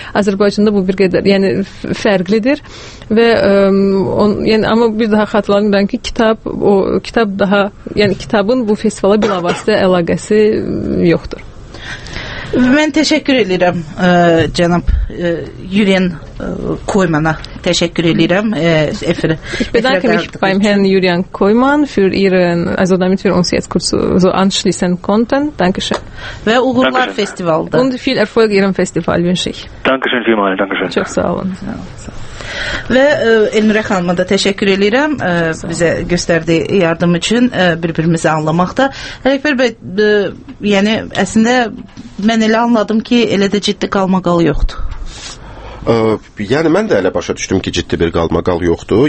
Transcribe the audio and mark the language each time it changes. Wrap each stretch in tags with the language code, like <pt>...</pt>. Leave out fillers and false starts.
<az>Azərbaycanda bu bir qədər, yəni, fərqlidir. Və amma bir daha xatırlamıram ki, kitabın bu festivala bilavasitə əlaqəsi yoxdur. Mən təşəkkür edirəm cənab Yuriyen Koymana. Təşəkkür edirəm efirə.</az> <de>Bedanke mich beim Herrn Yuriyen Koyman für Ihren, also damit wir uns jetzt kurz so anschließen konnten. Dankeschön.</de> <az>Və uğurlar festivalda.</az> <de>Und viel Erfolg Ihrem Festival wünsche ich. Dankeschön vielmals, Dankeschön.</de> <az>Çox sağ olun. Və Elnurə xanıma da təşəkkür edirəm bizə göstərdiyi yardım üçün bir-birimizi anlamaqda. Əlifər bəy, yəni əslində mən elə anladım ki, elə də ciddi qalmaqal yoxdur. Yəni mən də elə başa düşdüm ki, ciddi bir qalmaqal yoxdur.</az>